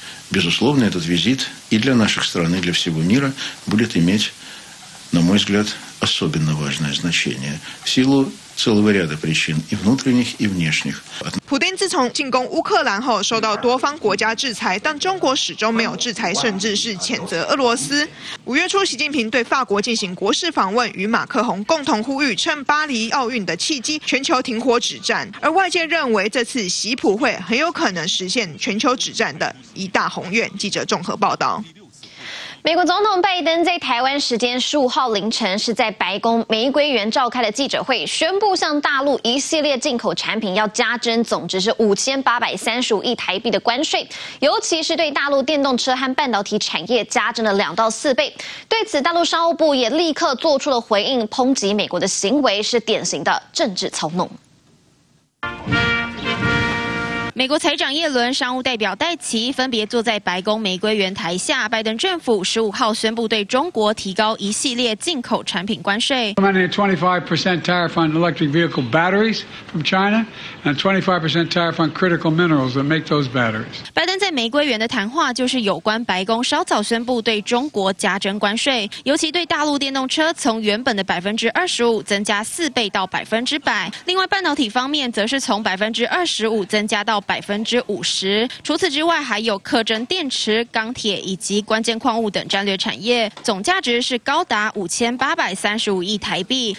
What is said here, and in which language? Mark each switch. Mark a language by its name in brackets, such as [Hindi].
[Russian] Безусловно, этот визит и для наших стран, и для всего мира будет иметь, на мой взгляд, особенно важное значение в силу целого ряда причин и внутренних, и внешних. [Chinese] 普丁自从进攻乌克兰后受到多方国家制裁，但中国始终没有制裁，甚至是谴责俄罗斯。五月初，习近平对法国进行国事访问，与马克宏共同呼吁趁巴黎奥运的契机全球停火止战，而外界认为这次习普会很有可能实现全球止战的一大宏愿。记者综合报道。美国总统拜登在台湾时间15号凌晨是在白宫玫瑰园召开的记者会，宣布向大陆一系列进口产品要加征总值是5835亿台币的关税，尤其是对大陆电动车和半导体产业加征了2到4倍。对此，大陆商务部也立刻做出了回应，抨击美国的行为是典型的政治操弄。美国财长耶伦、商务代表戴奇分别坐在白宫玫瑰园台下。拜登政府十五号宣布对中国提高一系列进口产品关税。 [English] Implementing a 25% tariff on electric vehicle batteries from China and a 25% tariff on critical minerals that make those batteries. [Chinese] 拜登在玫瑰园的谈话就是有关白宫稍早宣布对中国加征关税，尤其对大陆电动车从原本的25%增加4倍到100%。另外，半导体方面则是从25%增加到50%。除此之外，还有课征电池、钢铁以及关键矿物等战略产业，总价值是高达5835亿台币。